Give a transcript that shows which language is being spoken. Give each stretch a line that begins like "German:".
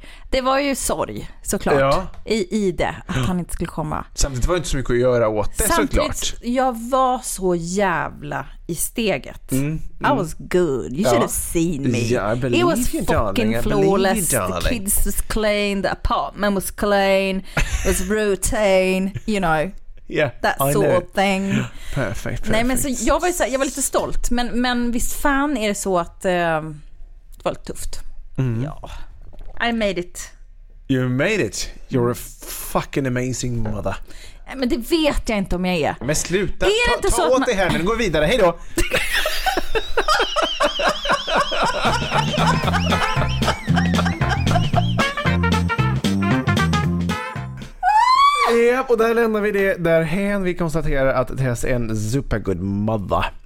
Swedish: Det var ju sorg, såklart, i det, att han inte skulle komma. Samtidigt var det inte så mycket att göra åt det, samtidigt, såklart. Jag var så jävla i steget.
English: I was good. You should have seen me. Yeah, it was fucking flawless. The kids was clean, the apartment was clean, it was routine, you know. Yeah, that sort of thing. Perfect.
Swedish: Nej, men så jag var lite stolt, men visst fan är det så att det var lite tufft. Mm.
English: Ja. I made it. You made it. You're a fucking amazing mother.
Swedish: Nej, men det vet jag inte om jag är. Men sluta. Är det ta åt dig här, men gå vidare. Hej då. Ja, och där lämnar vi det därhen. Vi konstaterar att Tess är en
English: supergood mother.